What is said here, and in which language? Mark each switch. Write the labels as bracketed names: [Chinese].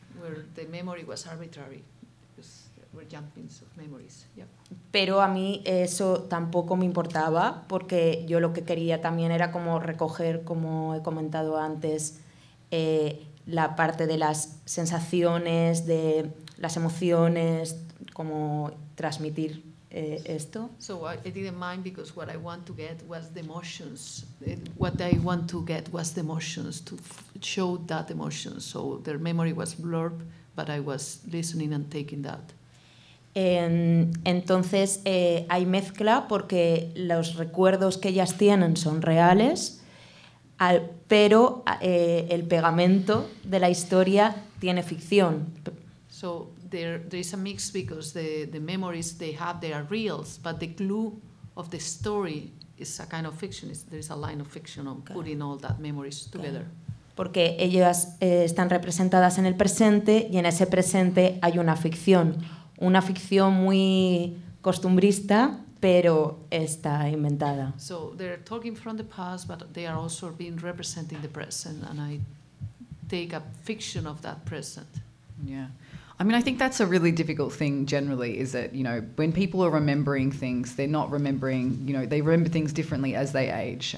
[English] Where the memory was arbitrary, because we're jumping of memories. Yeah. [Spanish] Pero a mí eso tampoco me importaba, porque yo lo que quería también era como recoger, como he comentado antes, la parte de las sensaciones, de las emociones, como transmitir esto. [English] So I didn't mind, because what I want to get was the emotions. What I want to get was the emotions, to show that emotion. So their memory was blurred, but I was listening and taking that. [Spanish] Entonces hay mezcla, porque los recuerdos que ellas tienen son reales, pero el pegamento de la historia tiene ficción. [English] So there is a mix, because the memories they have, they are real, but the glue of the story is a kind of fiction. There is a line of fiction on putting all that memories together. [Spanish] Porque ellas están representadas en el presente, y en ese presente hay una ficción muy costumbrista, pero está inventada. [English] So they're talking from the past, but they are also being represented in the present, and I take a fiction of that present. Yeah. I mean, I think that's a really difficult thing generally, is that, you know, when people are remembering things, they're not remembering, you know, they remember things differently as they age.